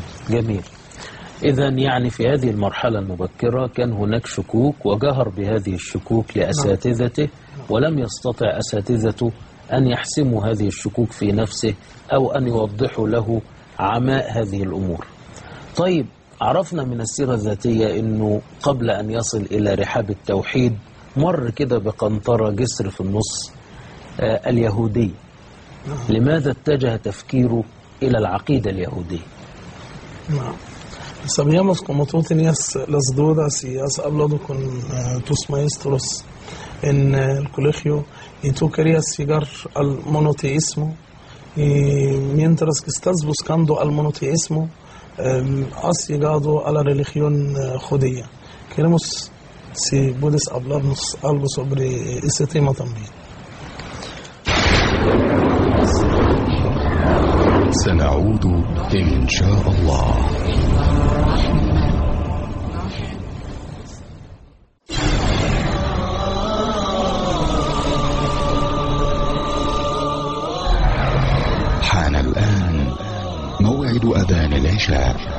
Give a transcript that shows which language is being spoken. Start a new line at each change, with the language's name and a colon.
Arabic: جميل إذن يعني في هذه المرحلة المبكرة كان هناك شكوك وجهر بهذه الشكوك لأساتذته ولم يستطع أساتذته أن يحسموا هذه الشكوك في نفسه أو أن يوضحوا له عماء هذه الأمور طيب عرفنا من السيرة الذاتية أنه قبل أن يصل إلى رحاب التوحيد مر كده بقنطرة جسر في النص اليهودي لماذا اتجه تفكيره إلى العقيدة اليهودية
Spanish: Sabíamos como tú tenías las dudas y has hablado con tus maestros en el colegio y tú querías llegar al monoteísmo y mientras que estás buscando al monoteísmo has llegado a la religión judía. Queremos si puedes hablarnos algo sobre ese tema también.
Arabic: سنعود إن شاء الله حان الآن موعد أذان العشاء